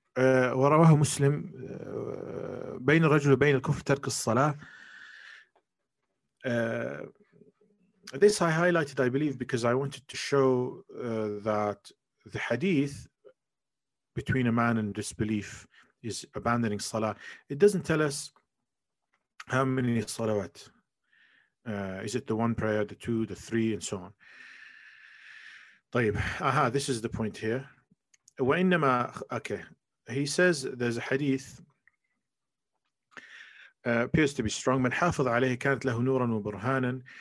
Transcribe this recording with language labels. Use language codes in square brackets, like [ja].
[ar] ورواه مسلم بين الرجل وبين الكفر ترك الصلاة. [en] This I highlighted, I believe, because I wanted to show that the hadith between a man and disbelief is abandoning salah. It doesn't tell us how many salawat. Is it the one prayer, the two, the three, and so on? [ar] طيب, [en] aha, this is the point here. [ar] وإنما, [en] okay, he says there's a hadith, appears to be strong. [ar] من حافظ عليه كانت له نورا وبرهانا.